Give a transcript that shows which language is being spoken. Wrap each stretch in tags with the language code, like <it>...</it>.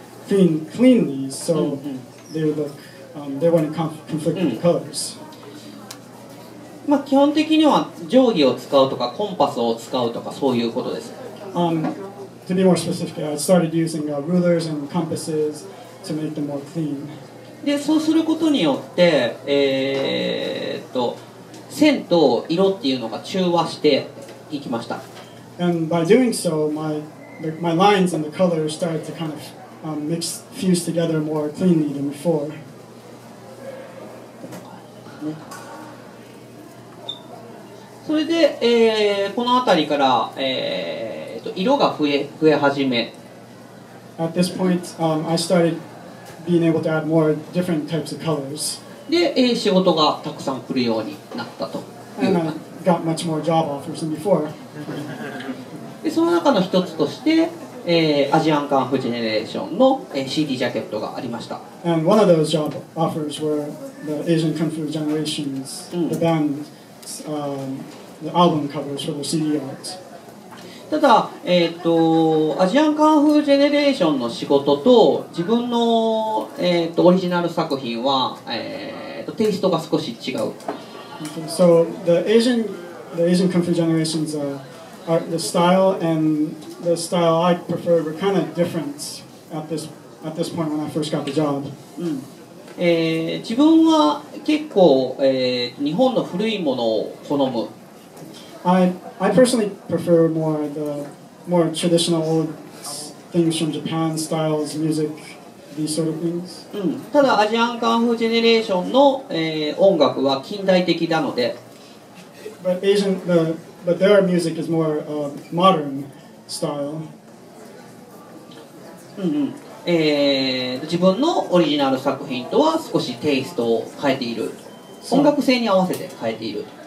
<en>More cleanly, so they would look, they wouldn't conflict with the colors.</en> <ja>まあ基本的には定規を使うとかコンパスを使うとかそういうことです。</ja> <en>To be more specific, I started using rulers and compasses to make them more clean.</en> <ja>で、そうすることによって、線と色っていうのが中和していきました。</ja> <en>And by doing so, my lines and the colors started to kind of fuse together more cleanly than before.</en> <ja>それで、この辺りから、色が増え始め。</ja> <en>At this point, I started being able to add more different types of colors.</en> <ja>で、仕事がたくさん来るようになったと。</ja> <en>And I got much more job offers than before.</en> <ja>でその中の一つとして、アジアンカンフジェネレーションの、CD ジャケットがありました。</ja> <en>And one of those job offers were the Asian Kung Fu Generations, the band's, the album covers for the CD art.</en> <ja>ただ、アジアンカンフジェネレーションの仕事と自分の、オリジナル作品は、テイストが少し違う。</ja> <en>Okay. So the Asian Kung Fu Generations are the style and the style I prefer were kind of different at this point when I first got the job.</en> <ja>自分は結構、日本の古いものを好む。</ja> <en>I personally prefer more traditional old things from Japan, styles, music, these sort of things.</en> <ja>ただアジアンカンフージェネレーションの、音楽は近代的なので。</ja> <en>But Asian, the,But their music is more modern style.</en> <ja>自分のオリジナル作品とは少しテイストを変えている。音楽性に合わせて変えている。</ja>